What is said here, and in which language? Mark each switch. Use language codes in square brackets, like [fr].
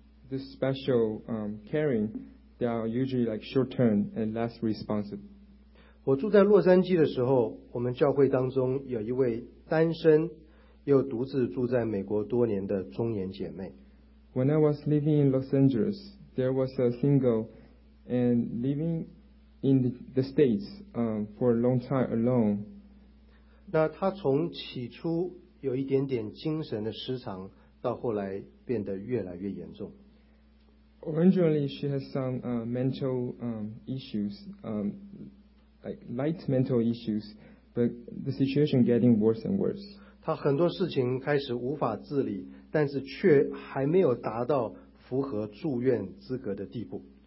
[en] This special caring, they are usually like short term and less responsive. [zh] 我住在洛杉矶的时候，我们教会当中有一位单身又独自住在美国多年的中年姐妹。 [en] When I was living in Los Angeles, there was a single and living in the States for a long time alone. [zh] 那她从起初有一点点精神的失常，到后来变得越来越严重。 [en] Originally, she has some mental issues, like light mental issues, but the situation getting worse and worse. [zh] 她很多事情开始无法自理，但是却还没有达到符合住院资格的地步。